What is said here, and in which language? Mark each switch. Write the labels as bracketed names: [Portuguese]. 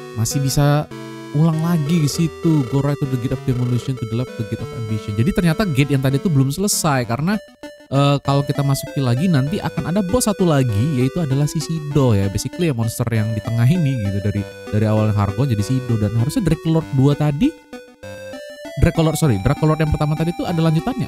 [Indonesian] Masih bisa ulang lagi ke situ. [English] Go right to the gate of demolition, to the left the gate of ambition. [Indonesian] Jadi ternyata gate yang tadi itu belum selesai karena kalau kita masuki lagi nanti akan ada boss satu lagi, yaitu adalah si Sido ya. Basically ya monster yang di tengah ini gitu, dari awal Hargon jadi Sido. Dan harusnya Dracolord 2 tadi, Dracolord yang pertama tadi itu ada lanjutannya.